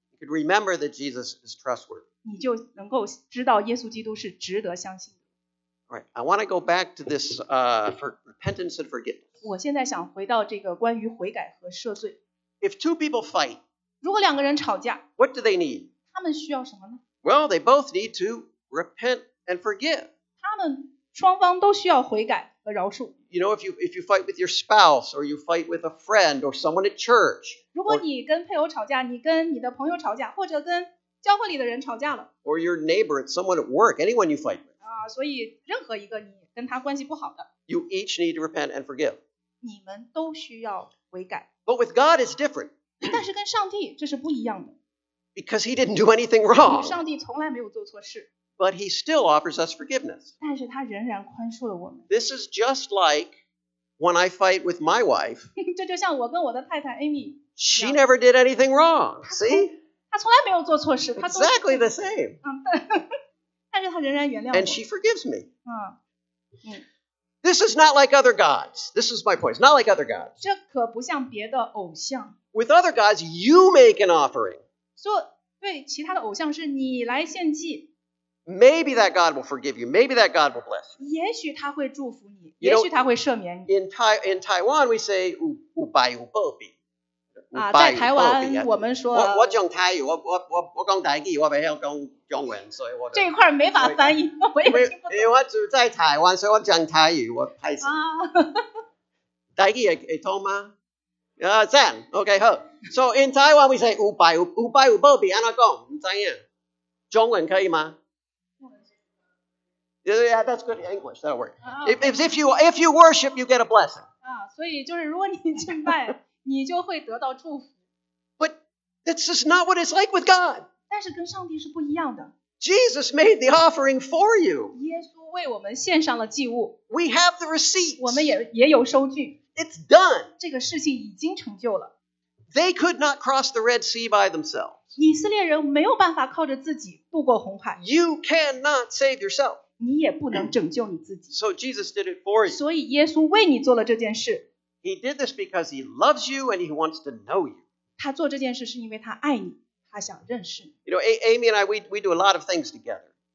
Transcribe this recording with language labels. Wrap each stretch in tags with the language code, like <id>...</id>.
<en>you can remember that Jesus is trustworthy.</en> <zh>你就能够知道耶稣基督是值得相信的。</zh> <en>All right, I want to go back to this for repentance and forgiveness.</en> <zh>我现在想回到这个关于悔改和赦罪。</zh> <en>If two people fight,</en> <zh>如果两个人吵架,</zh> <en>what do they need?</en> <zh>他们需要什么呢?</zh> <en>Well, they both need to repent and forgive.</en> <zh>他们双方都需要悔改和饶恕。</zh> <en>You know, if you fight with your spouse or you fight with a friend or someone at church,</en> <zh>如果你跟配偶吵架, 你跟你的朋友吵架, 或者跟教会里的人吵架了,</zh> <en>or your neighbor, someone at work, anyone you fight with,</en> <zh>所以任何一个你跟他关系不好的,</zh> <en>you each need to repent and forgive.</en> <zh>你们都需要悔改。</zh> <en>But with God, it's different.</en> <zh>但是跟上帝这是不一样的。</zh> <en>Because he didn't do anything wrong.</en> <zh>上帝从来没有做错事。</zh> <en>But he still offers us forgiveness.</en> <zh>但是他仍然宽恕了我们。</zh> <en>This is just like when I fight with my wife.</en> <zh>这就像我跟我的太太Amy。</zh> <en>She never did anything wrong, see?</en> <zh>她从来没有做错事。</zh> <en>Exactly the same.</en> <zh>但是她仍然原谅我。</zh> <en>And she forgives me. This is not like other gods. This is my point. It's not like other gods.</en> <zh>这可不像别的偶像。</zh> <en>With other gods, you make an offering.</en> <zh>对其他的偶像是你来献祭。</zh> <en>Maybe that God will forgive you. Maybe that God will bless you.</en> <zh>也许他会祝福你, 也许他会赦免你。</zh> <en>In Taiwan, we say,</en> <zh>五百五百比。在台湾我们说, 我讲台语, 我讲台语, 我不会讲中文, 所以我的, 这一块没法翻译, 我也听不懂。因为我住在台湾, 所以我讲台语, 我拍摄。台语也通吗?赞, okay, 好。 So in Taiwan, we say, 五百五百比, 怎么说? 不知道, 中文可以吗?</zh> <en>Yeah, that's good English. That'll work. If you worship, you get a blessing.</en> <zh>所以就是如果你敬拜，你就会得到祝福。</zh> <en>But this is not what it's like with God.</en> <zh>但是跟上帝是不一样的。</zh> <en>Jesus made the offering for you.</en> <zh>耶稣为我们献上了祭物。</zh> <en>We have the receipt.</en> <zh>我们也有收据。</zh> <en>It's done.</en> <zh>这个事情已经成就了。</zh> <en>They could not cross the Red Sea by themselves.</en> <zh>以色列人没有办法靠着自己渡过红海。</zh> <en>You cannot save yourself.</en> <zh>你也不能拯救你自己。</zh> <en>So Jesus did it for you.</en> <zh>所以耶稣为你做了这件事。</zh> <en>He did this because he loves you and he wants to know you.</en> <zh>他做这件事是因为他爱你。</zh> <en>You know, Amy and I, we do a lot of things together.</en>